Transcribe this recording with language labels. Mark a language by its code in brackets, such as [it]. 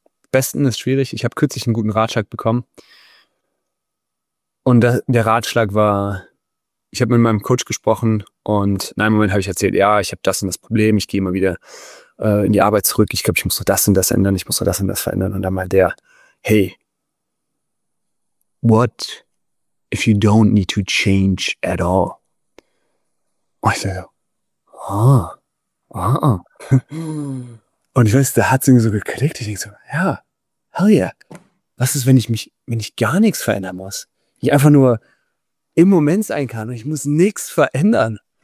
[de] Besten ist schwierig. Ich habe kürzlich einen guten Ratschlag bekommen. Und der Ratschlag war, ich habe mit meinem Coach gesprochen und in einem Moment habe ich erzählt, ja, ich habe das und das Problem, ich gehe immer wieder in die Arbeit zurück, ich glaube, ich muss nur das und das ändern, ich muss nur das und das verändern. Und dann mal der, [en] hey, what if you don't need to change at all? [de] Und ich dachte, Und ich weiß, da hat es irgendwie so geklickt. Ich denke so, ja, [en] hell yeah. [de] Was ist, wenn ich gar nichts verändern muss? Ich einfach nur im Moment sein kann und ich muss nichts verändern.